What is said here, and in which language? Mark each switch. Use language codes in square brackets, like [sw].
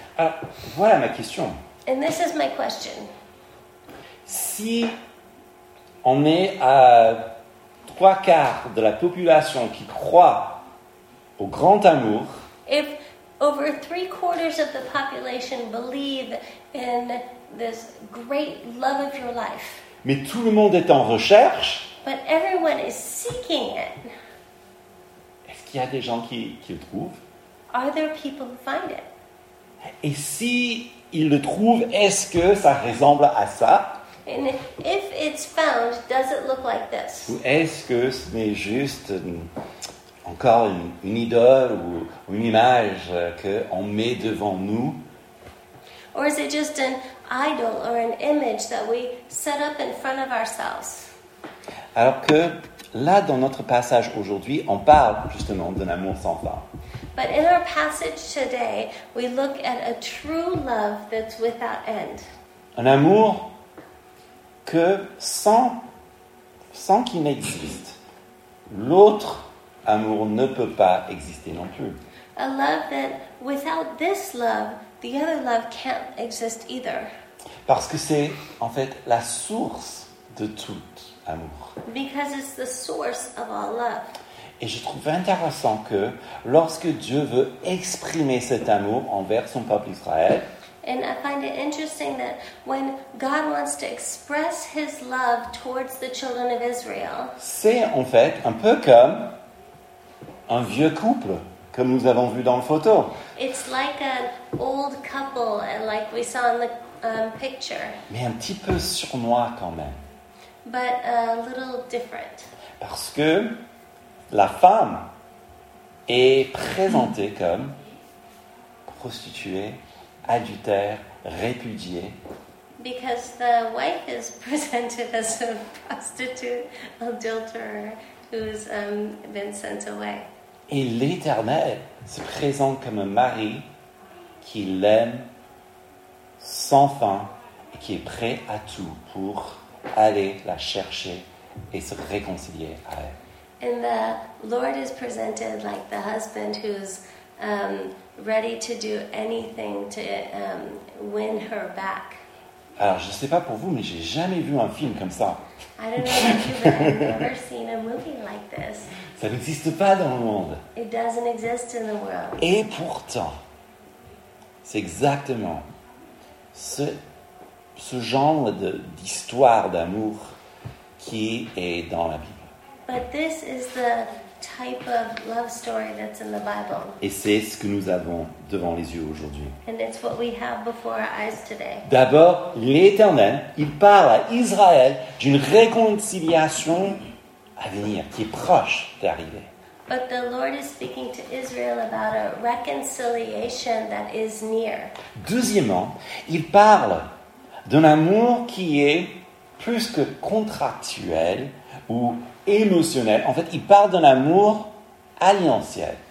[fr] Alors, voilà ma question. [en] And this is my question. [fr] Si on est à trois quarts de la population qui croit au grand amour, [en] if over three quarters of the population believe in this great love of your life, [fr] mais tout le monde est en recherche, [en] but everyone is seeking it, [fr] est-ce qu'il y a des gens qui le trouvent? [en] Are there people who find it? [fr] Et si ils le trouvent, est-ce que ça ressemble à ça? [en] And if it's found, does it look like this? [fr] Ou est-ce que ce n'est juste encore une idole ou une image qu'on met devant nous? [en] Or is it just an idol or an image that we set up in front of ourselves? [fr] Alors que là, dans notre passage aujourd'hui, on parle justement d'un amour sans fin. [en] But in our passage today, we look at a true love that's without end. [fr] Un amour que sans qu'il n'existe, l'autre amour ne peut pas exister non plus. [en] A love that without this love, the other love can't exist either. [fr] Parce que c'est en fait la source de tout amour. [en] Because it's the source of all love. [fr] Et je trouve intéressant que lorsque Dieu veut exprimer cet amour envers son peuple Israël, [en] and I find it interesting that when God wants to express his love towards the children of Israel, [fr] c'est en fait un peu comme un vieux couple, comme nous avons vu dans la photo. [en] It's like an old couple, like we saw in the picture. [fr] Mais un petit peu sournois quand même. [en] but a little different. [fr] Parce que la femme est présentée comme prostituée, adultère, répudiée. [en] Because the wife is presented as a prostitute, adulterer, who's been sent away. [fr] Et l'Éternel se présente comme un mari qui l'aime sans fin et qui est prêt à tout pour aller la chercher et se réconcilier à elle. [en] And the Lord is presented like the husband who's ready to do anything to win her back. [fr] Alors, je ne sais pas pour vous, mais je n'ai jamais vu un film comme ça. [en] I don't know about you, but I've never seen a movie like this. [fr] Ça n'existe pas dans le monde. [en] It doesn't exist in the world. [fr] Et pourtant, c'est exactement ce genre d'histoire d'amour qui est dans la Bible. [en] But this is the type of love story that's in the Bible. [fr] Et c'est ce que nous avons devant les yeux aujourd'hui. [en] And it's what we have before our eyes today. [fr] D'abord, l'Éternel, il parle à Israël d'une réconciliation à venir, qui est proche d'arriver. [en] But the Lord is speaking to Israel about a reconciliation that is near. [fr] Deuxièmement, il parle d'un amour qui est plus que contractuel ou émotionnel. En fait, il parle d'un amour alliantiel.